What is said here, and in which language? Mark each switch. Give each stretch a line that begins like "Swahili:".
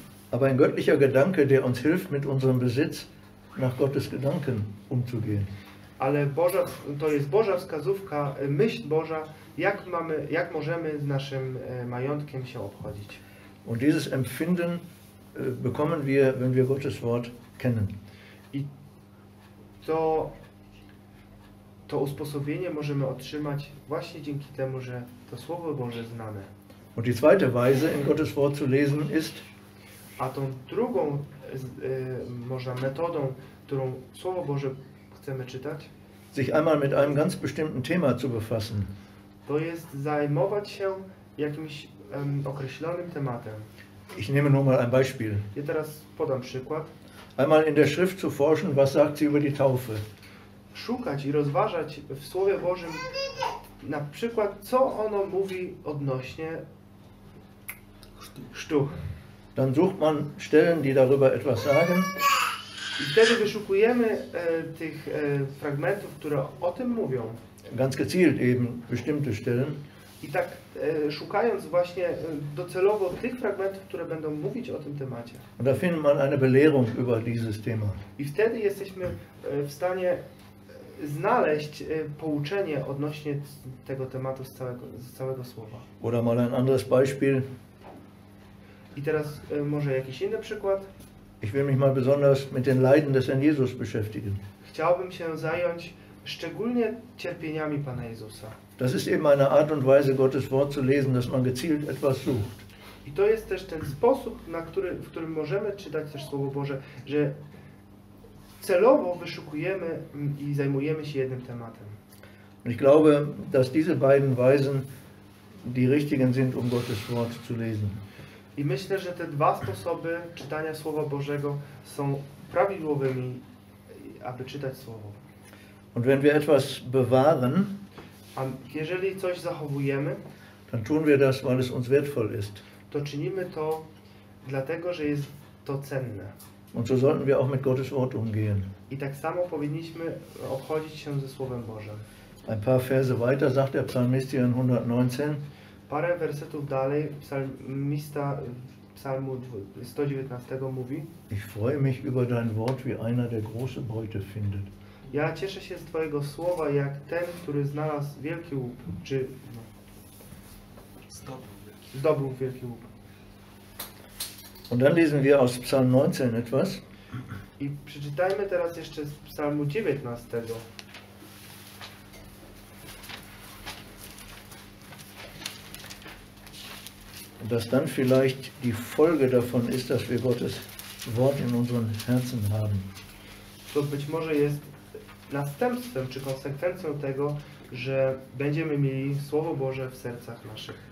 German: Aber ein göttlicher Gedanke, der uns hilft mit unserem Besitz nach Gottes Gedanken umzugehen.
Polish: Ale Boża, to jest Boża wskazówka, myśl Boża, jak mamy, jak możemy z naszym majątkiem się obchodzić.
German: Und dieses Empfinden bekommen wir, wenn wir Gottes Wort kennen.
Polish: I to usposobienie możemy otrzymać właśnie dzięki temu, że to Słowo Boże znamy.
German: Und die zweite Weise, in Gottes Wort zu lesen, ist,
Polish: a tą drugą można metodą, którą Słowo Boże chcemy czytać,
German: sich einmal mit einem ganz bestimmten Thema zu befassen.
Polish: To jest zajmować się jakimś określonym tematem.
German: Ich nehme nur mal ein Beispiel.
Polish: Ja teraz podam przykład.
German: Einmal in der Schrift zu forschen, was sagt sie über die Taufe.
Polish: Szukać i rozważać w Słowie Bożym, na przykład, co ono mówi odnośnie chrztu.
German: Dann sucht man Stellen, die darüber etwas sagen.
Polish: I wtedy wyszukujemy tych fragmentów, które o tym mówią.
German: Ganz gezielt eben bestimmte Stellen.
Polish: I tak szukając właśnie docelowo tych fragmentów, które będą mówić o tym temacie.
German: Und da findet man eine Belehrung über dieses Thema.
Polish: I wtedy jesteśmy w stanie znaleźć pouczenie odnośnie tego tematu z całego słowa.
German: Oder mal ein anderes Beispiel.
Polish: I teraz może jakiś inny przykład.
German: Ich will mich mal besonders mit den Leiden des Herrn Jesus beschäftigen.
Polish: Chciałbym się zająć szczególnie cierpieniami Pana Jezusa.
German: Das ist eben eine Art und Weise, Gottes Wort zu lesen, dass man gezielt etwas sucht.
Polish: I to jest też ten sposób, na który, w którym możemy czytać też Słowo Boże, że celowo wyszukujemy i zajmujemy się jednym tematem.
German: Und ich glaube, dass diese beiden Weisen die richtigen sind, um Gottes Wort zu lesen.
Polish: I myślę, że te dwa sposoby czytania Słowa Bożego są prawidłowymi, aby czytać Słowo.
German: Und wenn wir etwas bewahren,
Polish: a jeżeli coś zachowujemy,
German: dann tun wir das, weil es uns wertvoll ist.
Polish: To czynimy to, dlatego że jest to cenne.
German: Und so sollten wir auch mit Gottes Wort umgehen.
Polish: I tak samo powinniśmy obchodzić się ze Słowem Bożym.
German: Ein paar Verse weiter sagt der Psalmist hier in 119.
Polish: Parę wersetów dalej psalmista Psalmu 119 mówi:
German: Ich freue mich über dein Wort wie einer, der große Beute findet.
Polish: Ja cieszę się z Twojego słowa jak ten, który znalazł wielki łup, czy no, zdobył wielki łup.
German: Und dann lesen wir aus Psalm 19 etwas.
Polish: I przeczytajmy teraz jeszcze z Psalmu 19.
German: Dass dann vielleicht die Folge davon ist, dass wir Gottes Wort in unseren Herzen haben.
Polish: To być może jest następstwem czy konsekwencją tego, że będziemy mieli Słowo Boże w sercach naszych.